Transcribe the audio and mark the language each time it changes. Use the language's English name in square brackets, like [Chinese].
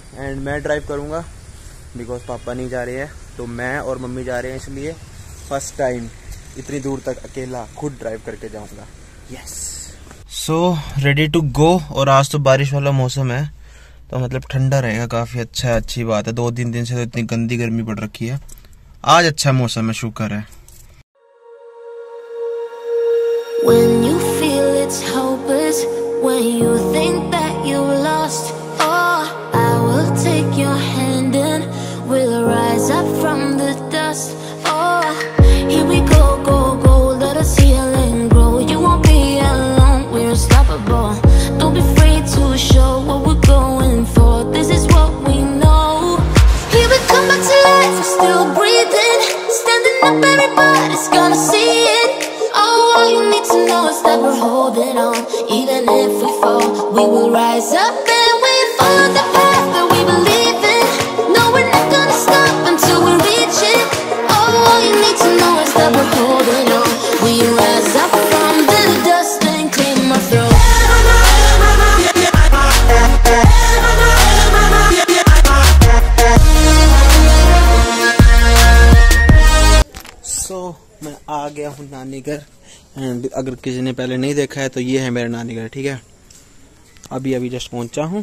[Hindi] And मैं drive करूँगा because पापा नहीं जा रहे हैं, तो मैं और मम्मी जा रहे हैं, इसलिए फर्स्ट टाइम इतनी दूर तक अकेला खुद ड्राइव करके जाऊँगा। [English] yes so ready to go, [Hindi] और आज तो बारिश वाला मौसम है तो मतलब ठंडा रहेगा काफ़ी, अच्छा है, अच्छी बात है, 2-3 दिन से तो इतनी गंदी गर्मी पड़ रखी है, आज अच्छा मौसम है शुक्र है। [English] When you feel it's hopeless, when you think that you're lost, oh, I will take your hand and we'll rise up from the dust, oh, here we go, go, go, let us heal and grow, you won't be alone, we're unstoppable, don't be afraid to show what we're going for, this is what we know, here we come back to life, we're still breathing, standing up, everybody's gonna see it. All you need to know is that we're holding on. Even if we fall, we will rise up and we follow the path that we believe in. No, we're not gonna stop until we reach it. Oh, all you need to know is that we're holding on. We rise up from the dust and clean my throat. [Hindi] So, मैं आ गया हूँ नानी घर, and अगर किसी ने पहले नहीं देखा है तो ये है मेरा नानी घर ठीक है, अभी अभी जस्ट पहुंचा हूँ।